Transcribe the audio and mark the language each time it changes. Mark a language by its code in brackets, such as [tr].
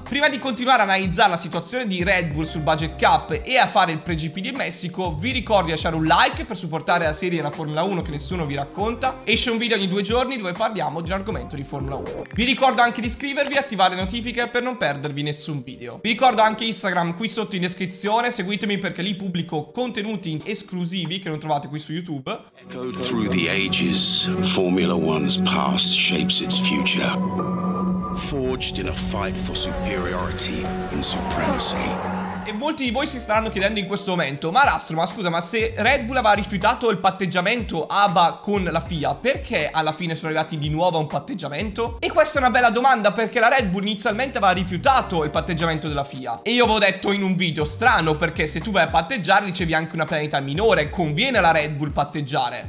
[it] Prima di continuare a analizzare la situazione di Red Bull sul budget cap e a fare il pre-GP di Messico, vi ricordo di lasciare un like per supportare la serie della Formula 1 che nessuno vi racconta. Esce un video ogni due giorni dove parliamo di un argomento di Formula 1. Vi ricordo anche di iscrivervi e attivare le notifiche per non perdervi nessun video. Vi ricordo anche Instagram qui sotto in descrizione, seguitemi perché lì pubblico contenuti esclusivi che non trovate qui su YouTube. [en] Through the ages, Formula One's past shapes its future. Forged in a fight for superiority and supremacy. [it] E molti di voi si staranno chiedendo in questo momento: ma Rastro, ma scusa, ma se Red Bull aveva rifiutato il patteggiamento ABA con la FIA, perché alla fine sono arrivati di nuovo a un patteggiamento? E questa è una bella domanda, perché la Red Bull inizialmente aveva rifiutato il patteggiamento della FIA. E io avevo detto in un video: strano, perché se tu vai a patteggiare ricevi anche una penalità minore, conviene alla Red Bull patteggiare.